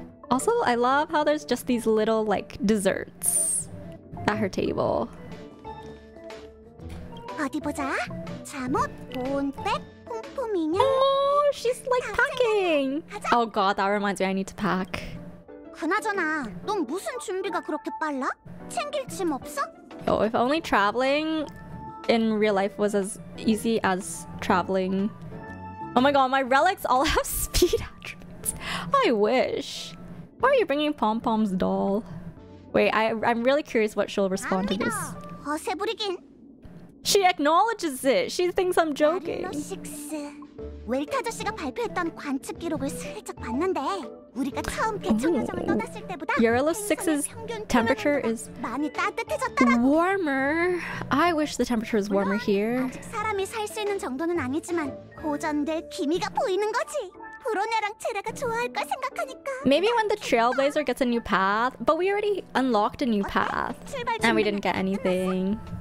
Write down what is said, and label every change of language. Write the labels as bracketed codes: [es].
[en] Also, I love how there's just these little like desserts at her table. [ko] 어디 보자. 잠옷, 보온백, 폼폼 인형. [en] Oh, she's like packing. Oh god, that reminds me. I need to pack. [ko] 그나저나, 넌 무슨 준비가 그렇게 빨라? 챙길 짐 없어? [en] Oh, if only traveling in real life was as easy as traveling. Oh my god, my relics all have speed attributes. I wish. Why are you bringing Pom Pom's doll? Wait, I'm really curious what she'll respond to this. [ko] 어세 부리긴. [en] She acknowledges it. She thinks I'm joking. 6. [ko] 웰트 아저씨가 발표했던 관측 기록을 살짝 봤는데 우리가 처음 개천 여정을 떠났을 때보다 [en] Jarilo 6's temperature is [ko] much 따뜻해졌더라고. [en] Warmer. I wish the temperature was warmer here. [ko] 아직 사람이 살 수 있는 정도는 아니지만 고전될 기미가 보이는 거지. 브로네랑 체레가 좋아할 걸 생각하니까. [en] Maybe when the Trailblazer gets a new path, but we already unlocked a new path and we didn't get anything.